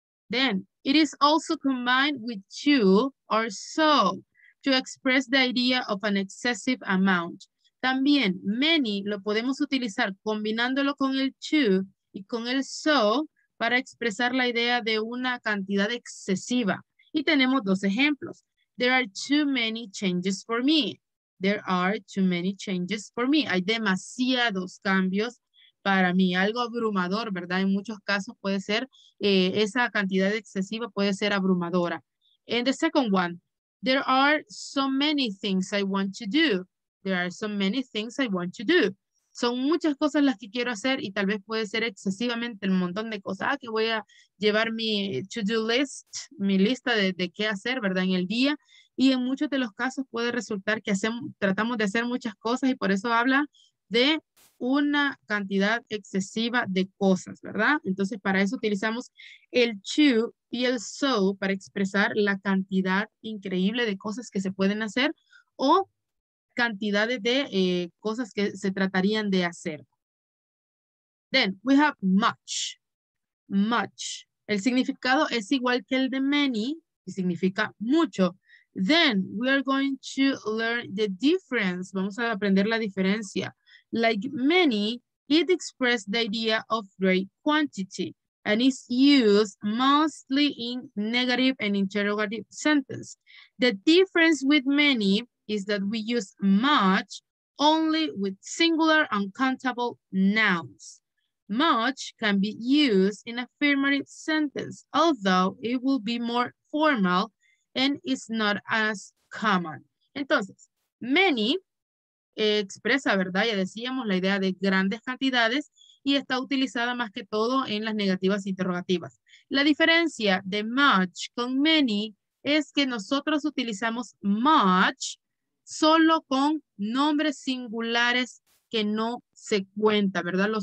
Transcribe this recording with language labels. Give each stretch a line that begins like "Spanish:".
English: Then, it is also combined with to or so to express the idea of an excessive amount.
Spanish: También, many lo podemos utilizar combinándolo con el to y con el so para expresar la idea de una cantidad excesiva. Y tenemos dos ejemplos.
English: There are too many changes for me. There are too many changes for me.
Spanish: Hay demasiados cambios para mí. Algo abrumador, ¿verdad? En muchos casos puede ser, esa cantidad excesiva puede ser abrumadora.
English: And the second one. There are so many things I want to do. There are so many things I want to do.
Spanish: Son muchas cosas las que quiero hacer y tal vez puede ser excesivamente un montón de cosas. Ah, que voy a llevar mi to-do list, mi lista de qué hacer, ¿verdad? En el día. Y en muchos de los casos puede resultar que tratamos de hacer muchas cosas y por eso habla de una cantidad excesiva de cosas, ¿verdad? Entonces, para eso utilizamos el to y el so para expresar la cantidad increíble de cosas que se pueden hacer o cantidades de cosas que se tratarían de hacer.
English: Then, we have much. Much.
Spanish: El significado es igual que el de many y significa mucho.
English: Then, we are going to learn the difference.
Spanish: Vamos a aprender la diferencia.
English: Like many, it expresses the idea of great quantity and is used mostly in negative and interrogative sentences. The difference with many is that we use much only with singular and countable nouns. Much can be used in affirmative sentence, although it will be more formal and is not as common.
Spanish: Entonces, many expresa, ¿verdad? Ya decíamos la idea de grandes cantidades y está utilizada más que todo en las negativas interrogativas. La diferencia de much con many es que nosotros utilizamos much solo con nombres singulares que no se cuenta, ¿verdad?